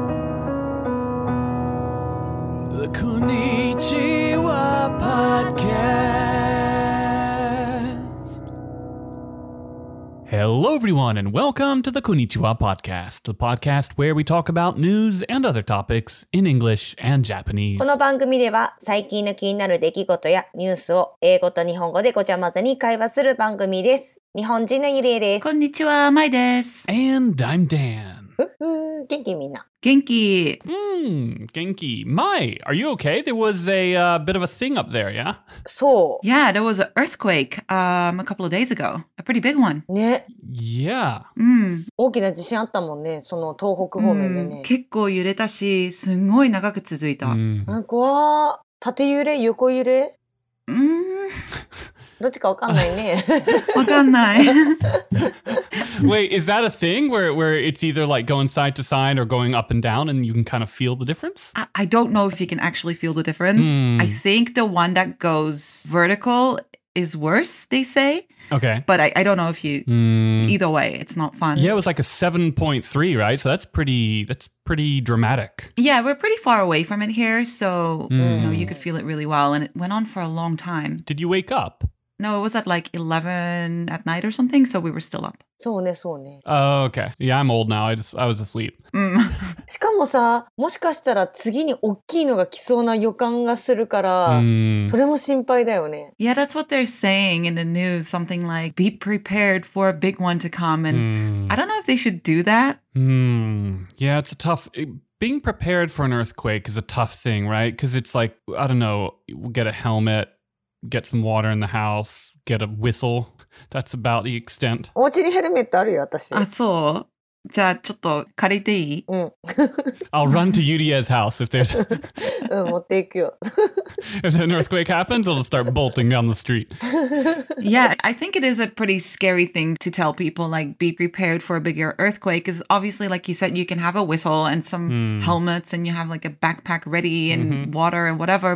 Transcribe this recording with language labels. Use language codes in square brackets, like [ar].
[en] The Konnichiwa Podcast. Hello, everyone, and welcome to the Konnichiwa Podcast, the podcast where we talk about news and other topics in English and Japanese. [ja] この番組では最近の気になる出来事やニュースを英語と日本語でごちゃ混ぜに会話する番組です。日本人のゆりえです。こんにちは、まいです。 [en] And I'm Dan. [ja] 元気みんな。元気。 [en] 元気。Mai, are you okay? There was a bit of a thing up there, yeah? [ja] そう。 [en] Yeah, there was an earthquake a couple of days ago. A pretty big one. [ja] ね。 [en] Yeah. [ja] 大きな地震あったもんね、その東北方面でね。結構揺れたし、すごい長く続いた。怖っ。縦揺れ、横揺れ。どっちかわかんないね。わかんない。 [en] Wait, is that a thing where it's either like going side to side or going up and down and you can kind of feel the difference? I don't know if you can actually feel the difference. I think the one that goes vertical is worse, they say. Okay. But I don't know if you... Either way, it's not fun. Yeah, it was like a 7.3, right? So that's pretty dramatic. Yeah, we're pretty far away from it here. So, you know, you could feel it really well. And it went on for a long time. Did you wake up? No, it was at like 11 at night or something, so we were still up. [ja] そうね、そうね。 [en] Okay. Yeah, I'm old now. I was asleep. [ja] しかもさ、もしかしたら次に大きいのが来そうな予感がするから、それも心配だよね。 [en] Yeah, that's what they're saying in the news. Something like, be prepared for a big one to come. And I don't know if they should do that. Yeah, it's a tough... Being prepared for an earthquake is a tough thing, right? Because it's like, I don't know, get a helmet... Get some water in the house, get a whistle. That's about the extent. [ja] お家にヘルメットあるよ、私。あ、そう。じゃあ、ちょっと借りていい？うん。 [en] I'll run to Yuria's house if there's... [ja] うん、持っていくよ。 [en] If an earthquake happens, I'll start bolting down the street. Yeah, I think it is a pretty scary thing to tell people, like, be prepared for a bigger earthquake. Because obviously, like you said, you can have a whistle and some helmets and you have, like, a backpack ready and water and whatever.